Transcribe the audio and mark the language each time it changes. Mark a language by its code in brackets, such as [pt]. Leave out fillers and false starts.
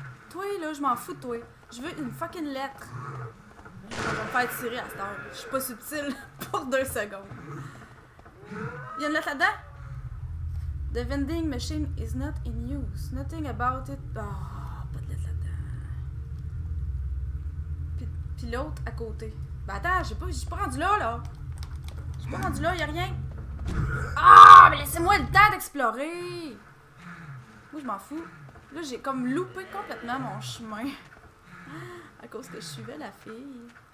[fr] Toi, là, je m'en fous de toi. Je veux une fucking lettre. Je vais me faire tirer à cette heure. Je suis pas subtile pour deux secondes. Il y a une lettre là-dedans? [en] The vending machine is not in use. Nothing about it. [fr] Oh, pas de lettre là-dedans. Pis l'autre à côté. Ben attends, j'ai pas rendu là, là. J'ai pas rendu là, y'a rien. Ah, oh, mais laissez-moi le temps d'explorer. Moi, je m'en fous. Là, j'ai comme loupé complètement mon chemin. À cause que je suivais la fille.